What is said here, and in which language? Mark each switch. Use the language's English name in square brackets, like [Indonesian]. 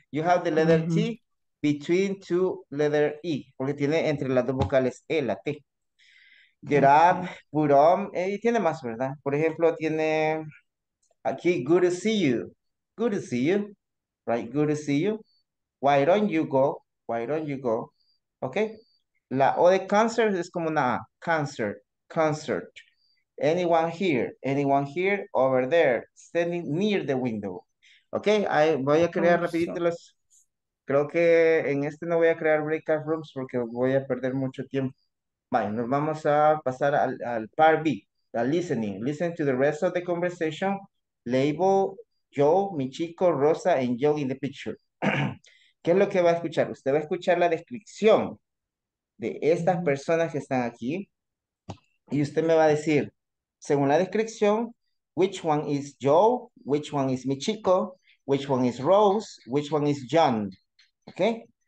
[English] You have the letter T between two letter E. [Spanish] Porque tiene entre las dos vocales E, la T. [English] Get up, put on. [Spanish] Y tiene más, ¿verdad? Por ejemplo, tiene aquí, [English] good to see you. Good to see you. Right? Good to see you. Why don't you go? Why don't you go? Okay. [Spanish] La O de concert es como una A. [English] Concert. Concert. Anyone here? Anyone here? Over there. Standing near the window. Okay. [Spanish] Voy a crear rapidito los. Creo que en este no voy a crear breakout rooms porque voy a perder mucho tiempo. Bueno, nos vamos a pasar al part B. La listening. [English] Listen to the rest of the conversation. Label Joe, mi chico, Rosa, and Joe in the picture. [Spanish] ¿Qué es lo que va a escuchar? Usted va a escuchar la descripción de estas personas que están aquí. Y usted me va a decir, según la descripción, [English] which one is Joe, which one is Michiko, which one is Rose, which one is John. ¿Ok?